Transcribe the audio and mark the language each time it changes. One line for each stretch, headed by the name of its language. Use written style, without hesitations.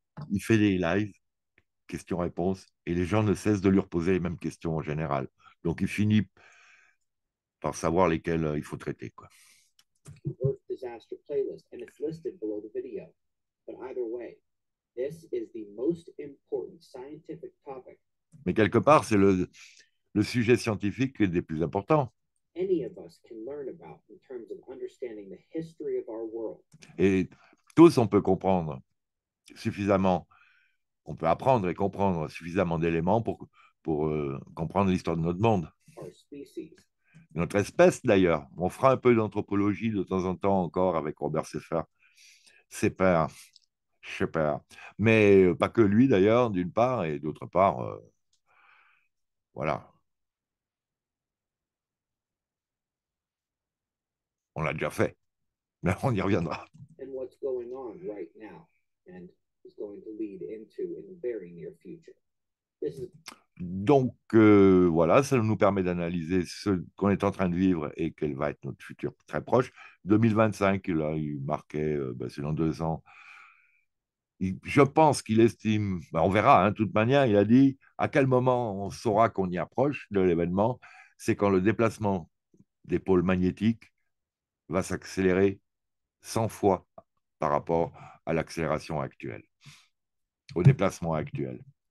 French: Il fait des lives, questions-réponses, et les gens ne cessent de lui reposer les mêmes questions en général. Donc, il finit par savoir lesquelles il faut traiter, quoi.
English: Earth disaster playlist, and it's listed below the video. But either way, this is the most important scientific topic.
French: Mais quelque part, c'est le sujet scientifique des plus importants.
English: Any of us can learn about in terms of understanding the history of our world.
French: Et tous, on peut comprendre suffisamment, on peut apprendre et comprendre suffisamment d'éléments pour comprendre l'histoire de notre monde.
English: Our species.
French: Notre espèce, d'ailleurs. On fera un peu d'anthropologie de temps en temps encore avec Robert Seffer. Seffer, Schepper. Mais pas que lui, d'ailleurs, d'une part, et d'autre part, voilà. On l'a déjà fait. Mais on y reviendra.
English: And what's going on right now and is going to lead into in the very near future. This is...
French: Donc, voilà, ça nous permet d'analyser ce qu'on est en train de vivre et quel va être notre futur très proche. 2025, là, il marquait, ben, c'est dans 2 ans. Je pense qu'il estime, ben, on verra, hein, de toute manière, il a dit à quel moment on saura qu'on y approche de l'événement, c'est quand le déplacement des pôles magnétiques va s'accélérer 100 fois par rapport à l'accélération actuelle, au déplacement actuel.